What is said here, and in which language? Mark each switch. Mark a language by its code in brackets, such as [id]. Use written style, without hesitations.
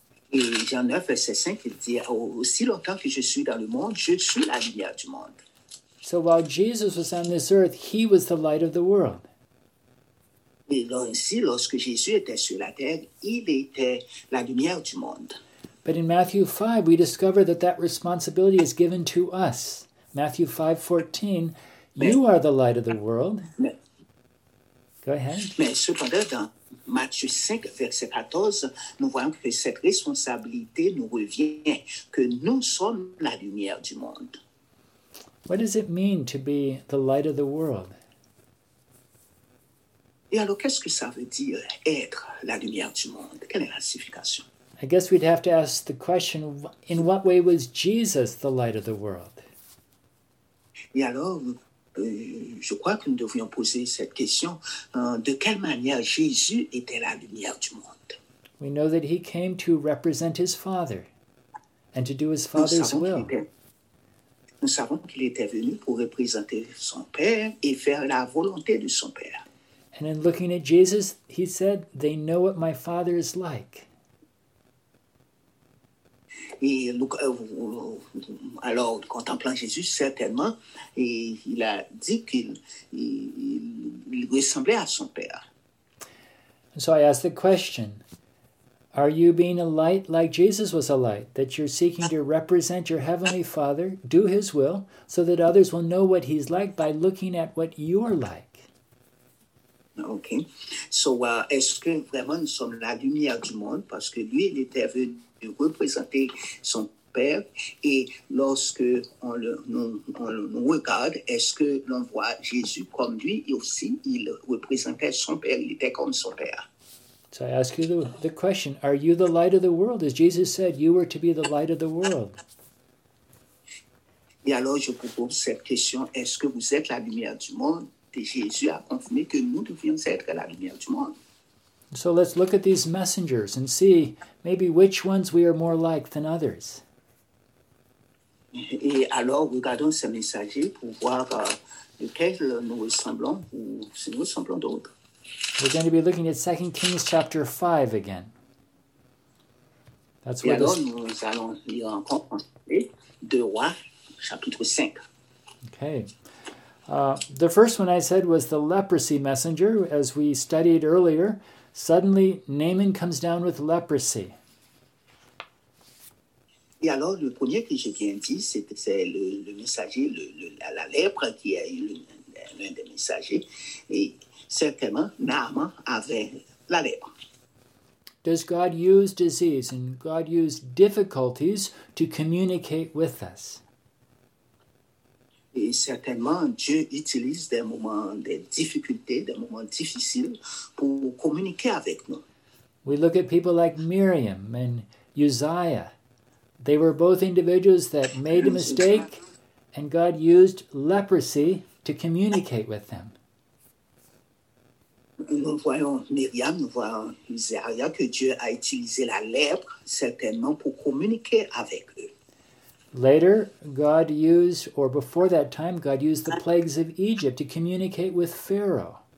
[fr] Et Jean 9, verset 5, il dit, aussi longtemps que je suis dans le monde, je suis la lumière du monde. [en] So while Jesus was on this earth, he was the light of the world. [fr] Et là aussi, lorsque Jésus était sur la terre, il était la lumière du monde. [en] But in Matthew 5, we discover that responsibility is given to us. Matthew 5, 14, you are the light of the world. Go ahead. [fr] Mais cependant, Matthieu 5, verset 14, nous voyons que cette responsabilité nous revient, que nous sommes la lumière du monde. [en] What does it mean to be the light of the world? [fr] Et alors, qu'est-ce que ça veut dire être la lumière du monde? Quelle est la signification? [en] I guess we'd have to ask the question, in what way was Jesus the light of the world? [fr] Et alors, je crois que nous devrions poser cette question. De quelle manière Jésus était la lumière du monde? [en] We know that he came to represent his Father and to do his Father's will. [fr] Nous savons qu'il était venu pour représenter son Père et faire la volonté de son Père. [en] And in looking at Jesus, he said, they know what my Father is like. [fr] Et donc, alors, contemplant Jésus, certainement, et il a dit qu'il ressemblait à son Père. [en] So I ask the question, are you being a light like Jesus was a light, that you're seeking to represent your Heavenly Father, do His will, so that others will know what He's like by looking at what you're like? Ok. [fr] So, est-ce que vraiment nous sommes la lumière du monde, parce que lui, il était venu de représenter son Père, et lorsque on regarde, est-ce que l'on voit Jésus comme lui, et aussi il représentait son Père, il était comme son Père. [en] So I ask you the question, are you the light of the world? As Jesus said, you were to be the light of the world. [fr] Et alors je vous pose cette question, est-ce que vous êtes la lumière du monde? Et Jésus a confirmé que nous devions être la lumière du monde. [en] So let's look at these messengers and see maybe which ones we are more like than others. [fr] Et alors, regardons ces messagers pour voir lequel nous ressemblons ou si nous ressemblons d'autres. [en] We're going to be looking at 2 Kings chapter 5 again. That's where [fr] nous allons lire encore 2 Rois chapitre 5. [en] Okay. The first one I said was the leprosy messenger, as we studied earlier. Suddenly, Naaman comes down with leprosy. [fr] Et alors, le premier que j'ai bien dit, c'est le messager, la lèpre qui est l'un des messagers. Et certainement, Naaman avait la lèpre. [en] Does God use disease and God use difficulties to communicate with us? [fr] Et certainement, Dieu utilise des moments de difficultés, des moments difficiles pour communiquer avec nous. [en] We look at people like Miriam and Uzziah. They were both individuals that made a mistake, and God used leprosy to communicate with them. [fr] Nous voyons Myriam, nous voyons Zaria, que Dieu a utilisé la lèpre certainement pour communiquer avec eux. [en] Later, God used, or before that time, God used the plagues of Egypt to communicate with Pharaoh.